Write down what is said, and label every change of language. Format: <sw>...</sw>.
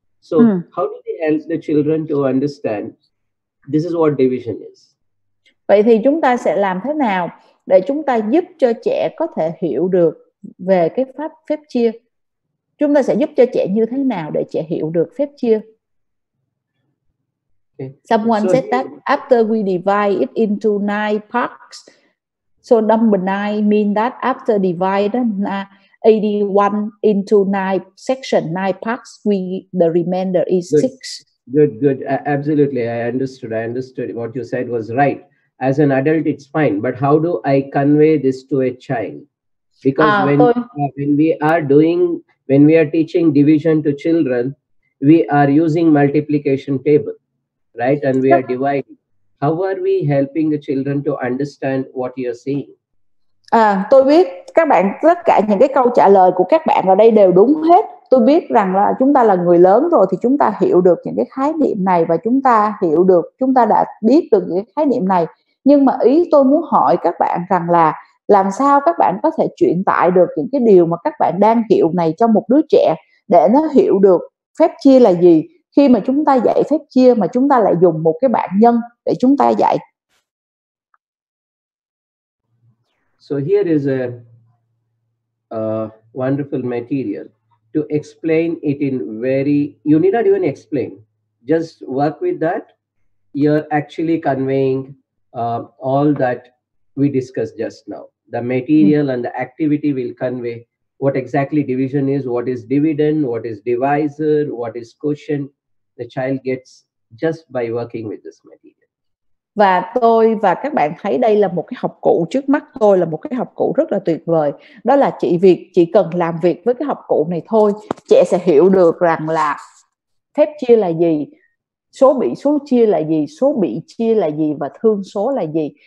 <en>So how do we help the children to understand? This is what division is.</en> <vi>Vậy thì chúng ta sẽ làm thế nào để chúng ta giúp cho trẻ có thể hiểu được về cái pháp phép chia? Chúng ta sẽ giúp cho trẻ như thế nào để trẻ hiểu được phép chia?</vi> <en>Okay. Someone said that after we divide it into 9 parts, so number 9 mean that after divide 81 into 9 section, 9 parts, we the remainder is 6. Good. Absolutely. I understood what you said was right. As an adult, it's fine. But how do I convey this to a child? Because when we are teaching division to children, we are using multiplication table, right? And we are dividing. How are we helping the children to understand what you're saying?</en> <vi>Tôi biết các bạn, tất cả những cái câu trả lời của các bạn ở đây đều đúng hết. Tôi biết rằng là chúng ta là người lớn rồi thì chúng ta hiểu được những cái khái niệm này và chúng ta hiểu được, chúng ta đã biết được những cái khái niệm này. Nhưng mà ý tôi muốn hỏi các bạn rằng là làm sao các bạn có thể truyền tải được những cái điều mà các bạn đang hiểu này cho một đứa trẻ để nó hiểu được phép chia là gì, khi mà chúng ta dạy phép chia mà chúng ta lại dùng một cái bảng nhân để chúng ta dạy.</vi> <en>So here is a wonderful material. To explain it in very, you need not even explain, just work with that. You're actually conveying all that we discussed just now. The material and the activity will convey what exactly division is, what is dividend, what is divisor, what is quotient. The child gets just by working with this material.</en> <vi>Và tôi và các bạn thấy đây là một cái học cụ trước mắt tôi, là một cái học cụ rất là tuyệt vời. Đó là chỉ cần làm việc với cái học cụ này thôi, trẻ sẽ hiểu được rằng là phép chia là gì, số bị số chia là gì, số bị chia là gì và thương số là gì.</vi>